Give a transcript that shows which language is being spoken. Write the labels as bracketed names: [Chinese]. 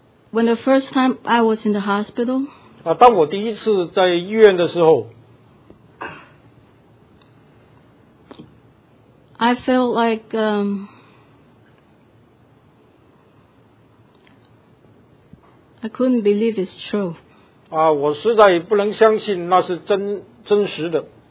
[English] When the first time I was in the hospital. [Chinese] 当我第一次在医院的时候。 [English] I felt like I couldn't believe it's true. [Chinese] 我实在不能相信那是真实的。